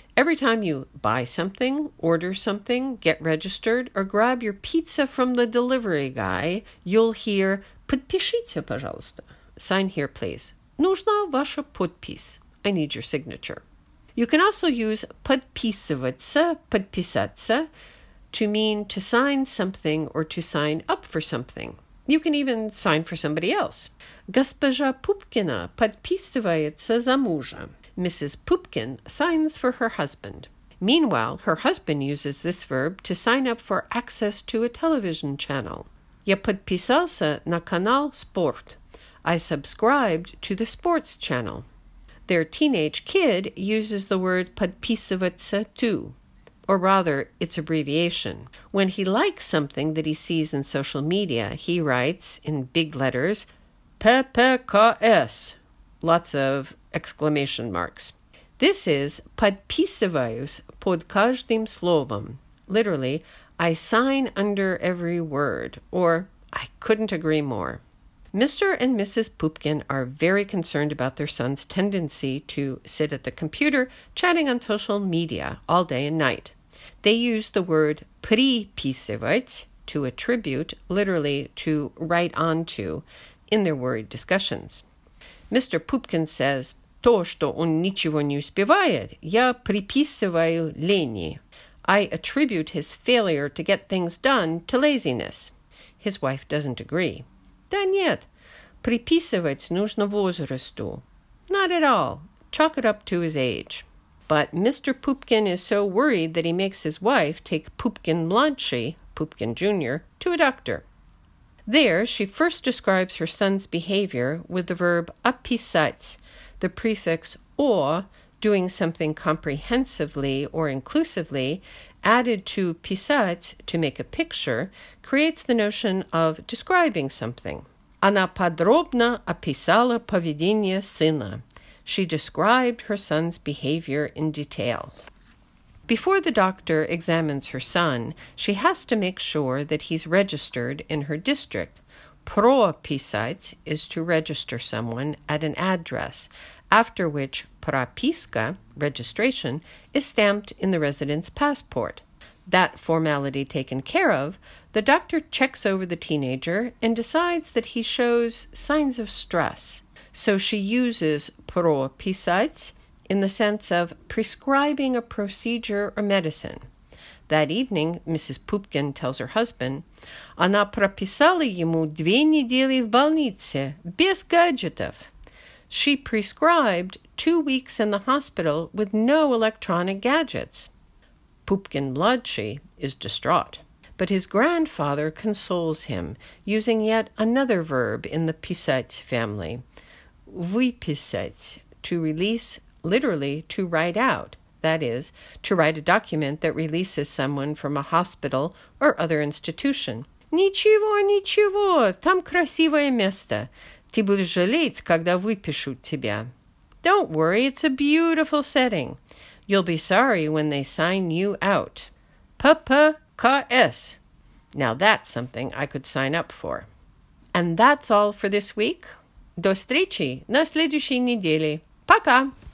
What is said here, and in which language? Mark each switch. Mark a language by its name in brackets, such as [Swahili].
[English] Every time you buy something, order something, get registered, or grab your pizza from the delivery guy, you'll hear, [Russian] подпишите, пожалуйста. [English] Sign here, please. [Russian] Нужна ваша подпись. [English] I need your signature. You can also use подписываться, подписаться, to mean to sign something or to sign up for something. You can even sign for somebody else. [Russian] Госпожа Пупкина подписывается за мужа. [English] Mrs. Pupkin signs for her husband. Meanwhile, her husband uses this verb to sign up for access to a television channel. [Russian] Я подписался на канал спорт. [English] I subscribed to the sports channel. Their teenage kid uses the word подписываться too. Or rather, its abbreviation. When he likes something that he sees in social media, he writes, in big letters, PPKS. Lots of exclamation marks. This is [Russian] подписываюсь под каждым словом. [English] Literally, I sign under every word, or I couldn't agree more. Mr. and Mrs. Pupkin are very concerned about their son's tendency to sit at the computer chatting on social media all day and night. They use the word приписывать to attribute, literally to write onto, in their worried discussions. Mr. Pupkin says, [Russian] То, что он ничего не успевает, я приписываю лени. [English] I attribute his failure to get things done to laziness. His wife doesn't agree. [Russian] Да нет, приписывать нужно возрасту. [English] Not at all. Chalk it up to his age. But Mr. Pupkin is so worried that he makes his wife take Pupkin-младший, Pupkin Jr., to a doctor. There, she first describes her son's behavior with the verb описать, the prefix or, doing something comprehensively or inclusively, added to писать, to make a picture, creates the notion of describing something. [Russian] Она подробно описала поведение сына. [English] She described her son's behavior in detail. Before the doctor examines her son, she has to make sure that he's registered in her district. Прописать is to register someone at an address, after which прописка, registration, is stamped in the resident's passport. That formality taken care of, the doctor checks over the teenager and decides that he shows signs of stress. So she uses прописать in the sense of prescribing a procedure or medicine. That evening, Mrs. Pupkin tells her husband, [Russian] Она прописала ему 2 недели в больнице, без гаджетов. [English] She prescribed 2 weeks in the hospital with no electronic gadgets. Pupkin-младший is distraught. But his grandfather consoles him, using yet another verb in the писать family. Выписать, to release, literally, to write out, that is, to write a document that releases someone from a hospital or other institution. [Russian] Ничего, ничего, там красивое место. Ты будешь жалеть, когда выпишу тебя. [English] Don't worry, it's a beautiful setting. You'll be sorry when they sign you out. [Russian] ППКС. [English] Now that's something I could sign up for. And that's all for this week. [Russian] До встречи на следующей неделе. Пока!